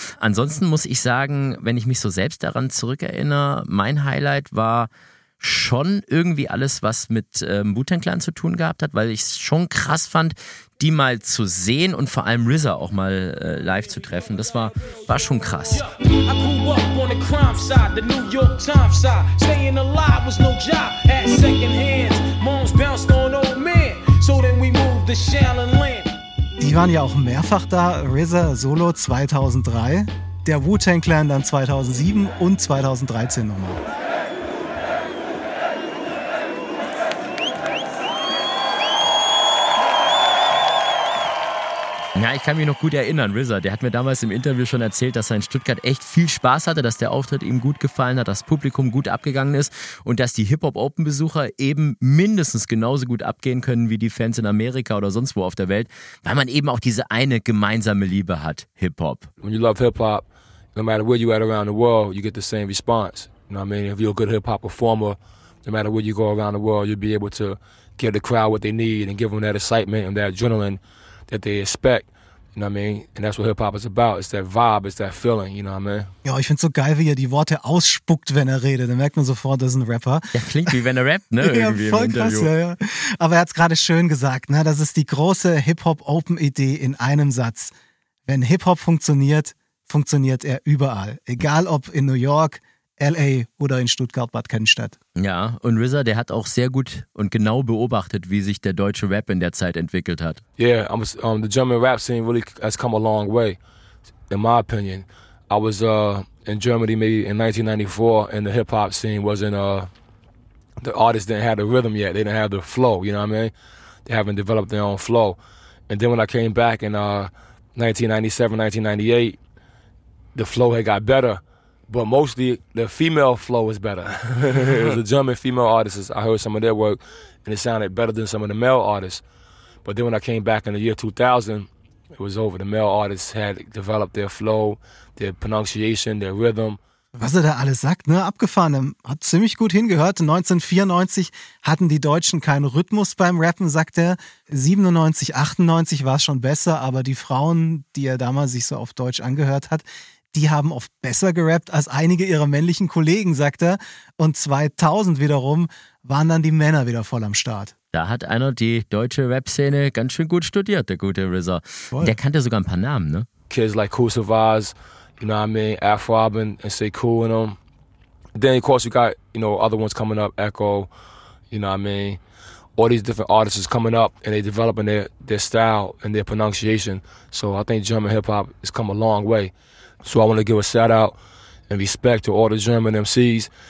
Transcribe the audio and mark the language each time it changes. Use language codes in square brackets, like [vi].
[de] Ansonsten muss ich sagen, wenn ich mich so selbst daran zurückerinnere, mein Highlight war schon irgendwie alles, was mit Wu-Tang Clan zu tun gehabt hat, weil ich es schon krass fand, die mal zu sehen und vor allem RZA auch mal live zu treffen. Das war schon krass. [en] I grew up on the crime side, the New York Times side. Staying alive was no job, had second hands. Moms bounced on old men, so then we moved to Shaolin Land. [de] Die waren ja auch mehrfach da, RZA Solo 2003, der Wu-Tang Clan dann 2007 und 2013 nochmal. Ja, ich kann mich noch gut erinnern, RZA, der hat mir damals im Interview schon erzählt, dass er in Stuttgart echt viel Spaß hatte, dass der Auftritt ihm gut gefallen hat, das Publikum gut abgegangen ist und dass die Hip-Hop-Open-Besucher eben mindestens genauso gut abgehen können wie die Fans in Amerika oder sonst wo auf der Welt, weil man eben auch diese eine gemeinsame Liebe hat, Hip-Hop. [en] When you love Hip-Hop, no matter where you at around the world, you get the same response. You know what I mean? If you're a good Hip-Hop-Performer, no matter where you go around the world, you'll be able to give the crowd what they need and give them that excitement and that adrenaline that they expect, you know what I mean? And that's what Hip-Hop is about. It's that vibe, it's that feeling, you know what I mean? [de] Ja, ich find's so geil, wie er die Worte ausspuckt, wenn er redet. Dann merkt man sofort, das ist ein Rapper. Ja, klingt wie wenn er rappt, ne? Ja, voll krass, ja. Aber er hat's gerade schön gesagt, ne? Das ist die große Hip-Hop-Open-Idee in einem Satz. Wenn Hip-Hop funktioniert, funktioniert er überall. Egal, ob in New York, L.A. oder in Stuttgart, Bad Cannstatt. Ja, und RZA, der hat auch sehr gut und genau beobachtet, wie sich der deutsche Rap in der Zeit entwickelt hat. [en] Yeah, the German rap scene really has come a long way, in my opinion. I was in Germany maybe in 1994, and the hip-hop scene wasn't, the artists didn't have the rhythm yet, they didn't have the flow, you know what I mean? They haven't developed their own flow. And then when I came back in 1997, 1998, the flow had got better. But mostly the female flow is better. The German female artists, I heard some of their work and it sounded better than some of the male artists. But then when I came back in the year 2000, it was over. The male artists had developed their flow, their pronunciation, their rhythm. [de] Was er da alles sagt, ne? Abgefahren. Er hat ziemlich gut hingehört. 1994 hatten die Deutschen keinen Rhythmus beim Rappen, sagt er. 97, 98 war es schon besser, aber die Frauen, die er damals sich so auf Deutsch angehört hat, die haben oft besser gerappt als einige ihrer männlichen Kollegen, sagt er. Und 2000 wiederum waren dann die Männer wieder voll am Start. Da hat einer die deutsche Rap-Szene ganz schön gut studiert, der gute RZA. Voll. Der kannte sogar ein paar Namen, ne? [en] Kids like Kool Savas, you know what I mean? Afro-Robin and Stay Cool in them. Then, of course, you got, you know, other ones coming up, Echo, you know what I mean? All these different artists is coming up and they developing their style and their pronunciation. So I think German hip-hop has come a long way. So I want to give a shout out and respect to all the German MCs.